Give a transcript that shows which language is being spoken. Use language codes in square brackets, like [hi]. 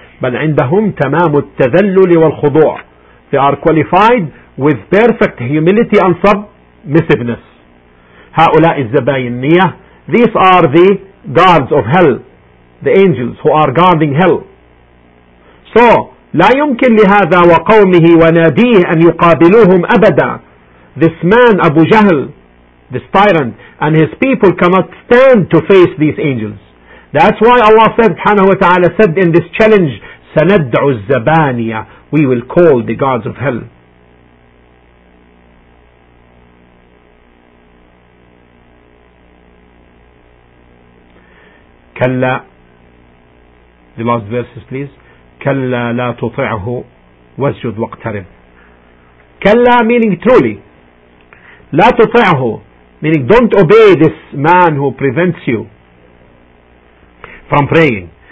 [ar] بَلْ عِنْدَهُمْ تَمَامُ التَّذَلُّلِ وَالْخُضُوعِ. [en] They are qualified with perfect humility and submissiveness. [ar] هَؤُلَاءِ الزَّبَايِنِّيَةِ. [en] These are the guards of hell, the angels who are guarding hell. [ar] So لا يمكن لهذا وقومه وناديه أن يقابلوهم أبدا. [en] This man Abu Jahl, this tyrant, and his people cannot stand to face these angels. That's why Allah said, subhanahu wa ta'ala said in this challenge, [ar] سندعو الزبانية, [en] we will call the gods of hell. كلا, the last verses please. [ar] كلا لا تطعه واسجد واقترب. [en] كلا meaning truly, [ar] لا تطعه [en] meaning don't obey this man who prevents you from praying.